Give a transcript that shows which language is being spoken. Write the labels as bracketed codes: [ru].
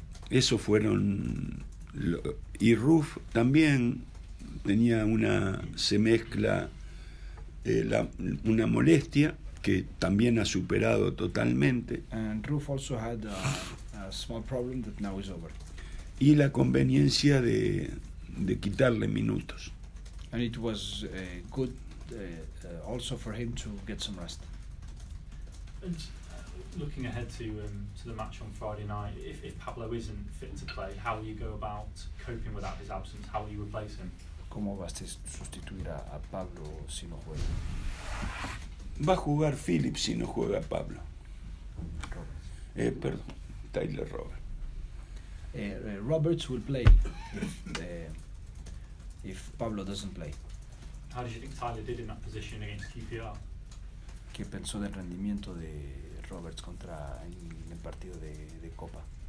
[es] Eso fueron y Ruff también tenía una se mezcla la una molestia que también ha superado totalmente. [en] And Ruff also had a small problem that now is over. [es] Y la conveniencia de quitarle minutos. [en] And it was good also for him to get some rest. And looking ahead to the match on Friday night, if Pablo isn't fit to play, how will you go about coping without his absence? How will you replace him? [es] ¿Cómo vas a sustituir a Pablo si no juega? Va a jugar Phillips si no juega Pablo. [en] Robert. Tyler Roberts. Roberts will play. if Pablo doesn't play. How did you think Tyler did in that position against QPR? [es] ¿Qué pensó del rendimiento de Roberts contra en el partido de Copa?